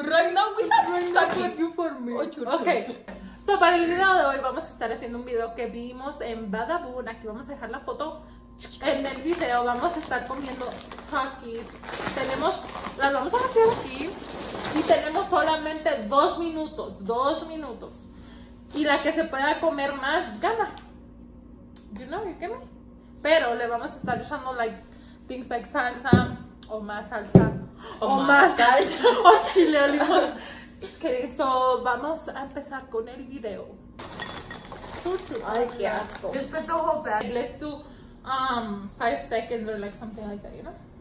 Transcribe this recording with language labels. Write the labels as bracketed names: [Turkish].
[English] Right now we have to talk with you for me. Okay. [Spanish] So, para el video de hoy vamos a estar haciendo un video que vimos en Badabun. Aquí vamos a dejar la foto. En el video vamos a estar comiendo Takis. Tenemos, las vamos a hacer aquí. Y tenemos solamente 2 minutos. 2 minutos. Y la que se pueda comer más gana. [English] You know, you get me. [Spanish] Pero le vamos a estar echando [English] like things like [Spanish] salsa. O más salsa. O más salsa. O chile o limón. [English] Okay, so [Spanish] vamos a empezar con el video. Ay, qué asco. Después te ojo, pero. [English] Let's do 5 seconds or like something like that, you know?